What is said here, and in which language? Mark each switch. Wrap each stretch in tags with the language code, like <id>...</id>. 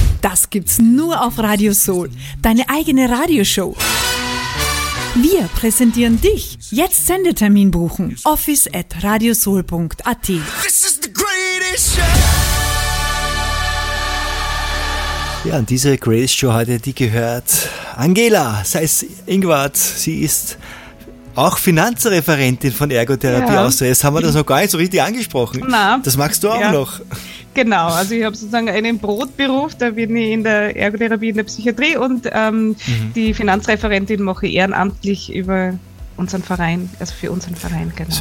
<de>Das gibt's nur auf Radio Soul, deine eigene Radioshow. Wir präsentieren dich. Jetzt Sendetermin buchen. office@radiosoul.at.</de> <en>This is the greatest show.</en> <de>Ja, und diese Greatest Show hat ja die gehört. Angela Seis Ingwart, sie ist auch Finanzreferentin von Ergotherapie Austria. Jetzt haben wir das noch gar nicht so richtig angesprochen. Na, das magst du auch noch. Genau, also ich habe sozusagen einen Brotberuf, da bin ich in der Ergotherapie, in der Psychiatrie und die Finanzreferentin mache ich ehrenamtlich über unseren Verein, also für unseren Verein, genau.</de>